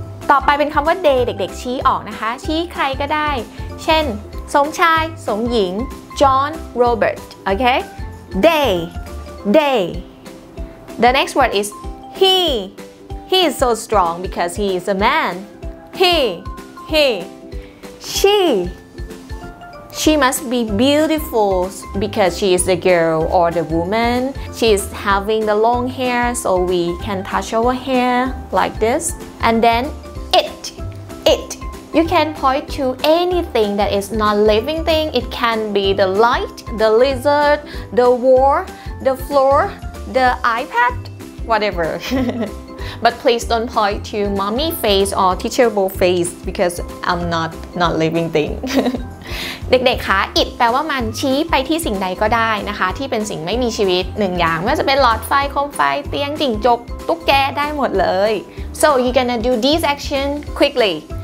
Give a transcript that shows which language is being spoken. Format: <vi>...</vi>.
<th>ต่อไปเป็นคำว่า they เด็กๆชี้ออกนะคะชี้ใครก็ได้เช่นสมชายสมหญิง</th> <en>John Robert okay they the next word is he is so strong because he is a manHe, she must be beautiful because she is the girl or the woman. She is having the long hair so we can touch our hair like this. And then it. You can point to anything that is not living thing. It can be the light, the lizard, the wall, the floor, the iPad, whatever. But please don't point to mommy face or teachable face because I'm not living thing.</en> <th>เด็กๆคะ it แปลว่ามันชี้ไปที่สิ่งใดก็ได้นะคะที่เป็นสิ่งไม่มีชีวิตหนึ่งอย่างไม่ว่าจะเป็นหลอดไฟโคมไฟเตียงจิ้งจกตุ๊กแกได้หมดเลย</th> <en>So you're gonna do this action quickly.</en>